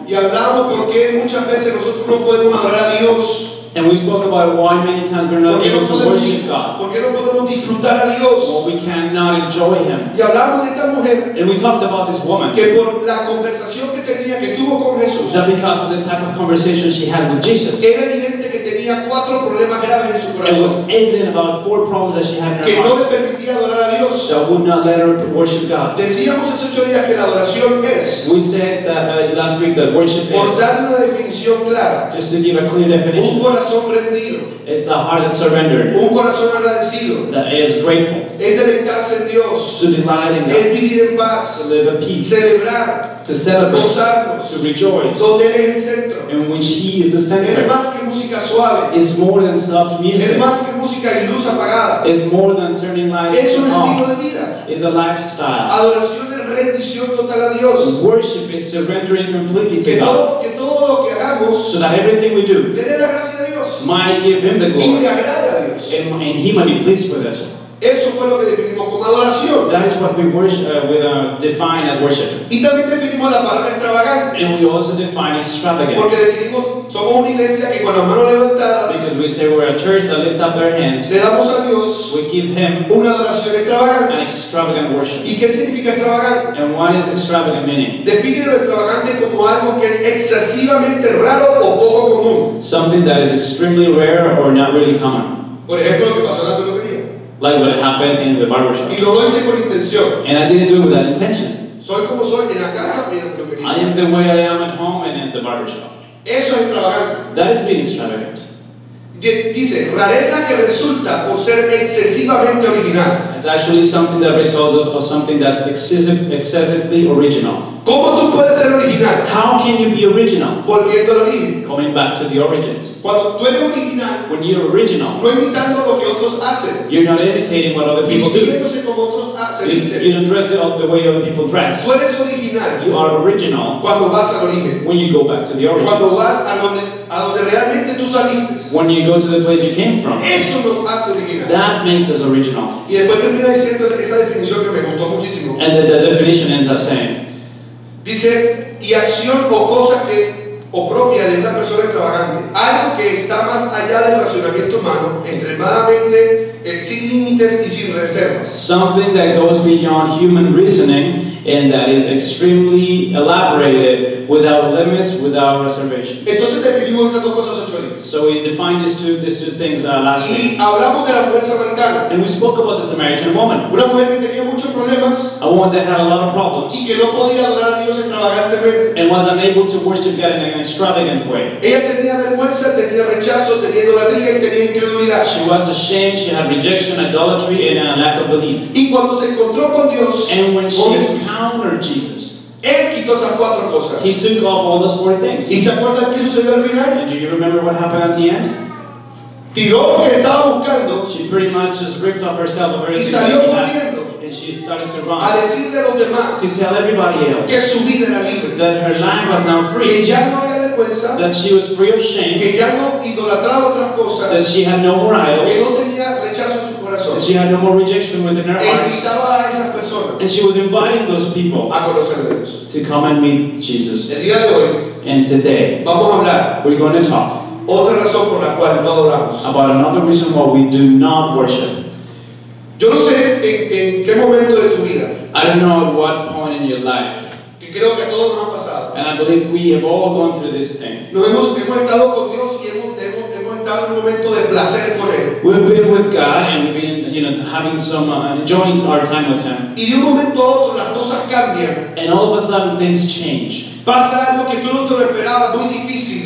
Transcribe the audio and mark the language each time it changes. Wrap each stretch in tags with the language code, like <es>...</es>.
<es>Y hablamos por qué muchas veces nosotros no podemos adorar a Dios.</es> <en>And we spoke about why many times we're not able to worship God.</en> <es>¿Por qué no podemos disfrutar a Dios?</es> <en>Well, we cannot enjoy Him.</en> <es>Y hablamos de esta mujer.</es> <en>And we talked about this woman.</en> <es>Que por la conversación que tenía, que tuvo con Jesús.</es> <en>That because of the type of conversation she had with Jesus.</en> <es>Era evidente que tenía cuatro problemas graves en su corazón.</es> <en>It was evident about four problems that she had in her</en> <es>que</es> <en>heart.</en> <es>Que no le permitía adorar a Dios.</es> <en>That would not let her to worship God.</en> <es>Decíamos hace 8 días que la adoración es.</es> <en>We said that last week that worship</en> <es>por</es> <en>is.</en> <es>Por dar una definición clara.</es> <en>Just to give a clear definition. It's a heart that surrendered.</en> <es>Un corazón agradecido.</es> <en>That is grateful.</en> <es>Es deleitarse en Dios.</es> <en>To delight in God.</en> <es>Es vivir en paz.</es> <en>To live in peace.</en> <es>Celebrar.</es> <en>To celebrate.</en> <es>Gozarnos.</es> <en>To rejoice.</en> <es>Donde él es el centro.</es> <en>In which He is the center.</en> <es>Es más que música suave.</es> <en>It's more than soft music.</en> <es>Es más que música y luz apagada.</es> <en>It's more than turning lights</en> <es>es un</es> <en>off.</en> <es>Estilo de vida.</es> <en>It's a lifestyle.</en> <es>Adoración es rendición total a Dios.</es> <en>Worship is surrendering completely to</en> <es>que</es> <en>God.</en> <es>Todo, que todo lo que hagamos.</es> <en>So that everything we do.</en> <es>Dele la gracia a Dios.</es> <en>Might give Him the glory.</en> <es>Y le agrade a Dios.</es> <en>And He might be pleased with us.</en> <es>Eso fue lo que definimos como adoración.</es> <en>That is what we worship, define as worship.</en> <es>Y también definimos la palabra extravagante.</es> <en>And we also define extravagant.</en> <es>Porque definimos somos una iglesia que con las manos levantadas.</es> <en>Because we say we're a church that lifts up their hands.</en> <es>Le damos a Dios.</es> <en>We give Him</en> <es>una adoración extravagante.</es> <en>An extravagant worship.</en> <es>¿Y qué significa extravagante?</es> <en>And what is extravagant meaning?</en> <es>Define lo extravagante como algo que es excesivamente raro o poco común.</es> <en>Something that is extremely rare or not really common.</en> <es>Por ejemplo, lo que pasó en la peluquería.</es> <en>Like what happened in the barbershop.</en> <es>Y lo hice con intención.</es> <en>And I didn't do it with that intention.</en> <es>Soy como soy en la casa y en la peluquería.</es> <en>I am the way I am at home and in the barbershop.</en> <es>Eso es extravagante.</es> <en>That is being extravagant.</en> <es>Dice, rareza que resulta por ser excesivamente original.</es> <en>It's actually something that results of something that's excessively original.</en> <es>¿Cómo tú puedes ser original?</es> <en>How can you be original?</en> <es>Volviendo al origen.</es> <en>Coming back to the origins.</en> <es>Cuando tú eres original.</es> <en>When you're original.</en> <es>No imitando lo que otros hacen.</es> <en>You're not imitating what other people do.</en> <es>Vistiéndose como otros hacen.</es> <en>You don't dress the way other people dress.</en> <es>Tú eres original.</es> <en>You are original.</en> <es>Cuando vas al origen.</es> <en>When you go back to the origins.</en> <es>Cuando vas a donde realmente tú saliste.</es> <en>When you go to the place you came from.</en> <es>Eso nos hace original.</es> <en>That makes us original.</en> <es>Y después termina diciendo esa definición que me gustó muchísimo.</es> <en>And the definition ends up saying.</en> <es>Dice, y acción o cosa que, o propia de una persona extravagante, algo que está más allá del razonamiento humano, extremadamente, sin límites y sin reservas.</es> <en>Something that goes beyond human reasoning, and that is extremely elaborated, without limits, without reservation.</en> <es>Entonces definimos esas dos cosas 8 días.</es> <en>So we defined these two things last week.</en> <es>Y hablamos de la mujer samaritana.</es> <en>And we spoke about the Samaritan woman.</en> <es>Una mujer que tenía muchos problemas.</es> <en>A woman that had a lot of problems.</en> <es>Y que no podía adorar a Dios extravagantemente.</es> <en>And was unable to worship God in an extravagant way.</en> <es>Ella tenía vergüenza, tenía rechazo, tenía idolatría y tenía incredulidad.</es> <en>She was ashamed, she had rejection, idolatry, and a lack of belief.</en> <es>Y cuando se encontró con Dios.</es> <en>And when she encountered Jesus.</en> <es>Él quitó esas cuatro cosas.</es> <en>He took off all those four things.</en> <es>¿Y se acuerdan qué sucedió al final?</es> <en>And do you remember what happened at the end?</en> <es>Tiró lo que estaba buscando.</es> <en>She pretty much just ripped off herself of everything.</en> <es>Y salió corriendo.</es> <en>And she started to run.</en> <es>A decirle a los demás.</es> <en>To tell everybody else.</en> <es>Que su vida era libre.</es> <en>That her life was now free.</en> <es>Que ya no había vergüenza.</es> <en>That she was free of shame.</en> <es>Que ya no idolatraba otras cosas.</es> <en>That she had no more idols.</en> <es>Que no tenía rechazo en su corazón. corazón.</es> <en>And she had no more rejection within her heart.</en> <es>Invitaba a esas personas.</es> <en>And she was inviting those people</en> <es>a conocer a Dios.</es> <en>To come and meet Jesus.</en> <es>El día de hoy,</es> <en>and today,</en> <es>vamos a hablar.</es> <en>We're going to talk.</en> <es>Otra razón por la cual no adoramos.</es> <en>About another reason why we do not worship.</en> <es>Yo no sé en qué momento de tu vida.</es> <en>I don't know at what point in your life.</en> <es>Y creo que todos nos ha pasado.</es> <en>And I believe we have all gone through this thing.</en> <es>Nos hemos estado con Dios y hemos estado en un momento de placer con él.</es> <en>We've been with God and we've been, you know, having some enjoying our time with him.</en> <es>Y de un momento a otro las cosas cambian.</es> <en>And all of a sudden things change.</en> <es>Pasa algo que tú no te lo esperabas, muy difícil.</es>